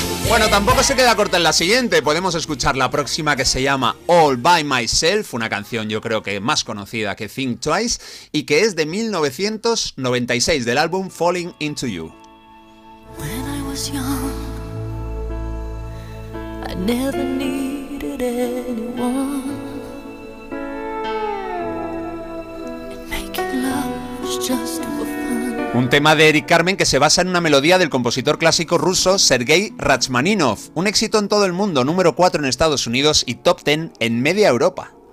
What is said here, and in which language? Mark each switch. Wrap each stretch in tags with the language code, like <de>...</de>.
<es>Bueno, tampoco se queda corta en la siguiente. Podemos escuchar la próxima, que se llama All By Myself, una canción yo creo que más conocida que Think Twice y que es de 1996, del álbum Falling Into You.</es> <en>When I was young, I never needed anyone. Making love is just for fun.</en> <es>Un tema de Eric Carmen que se basa en una melodía del compositor clásico ruso Sergei Rachmaninov. Un éxito en todo el mundo, número 4 en Estados Unidos y top 10 en media Europa.</es>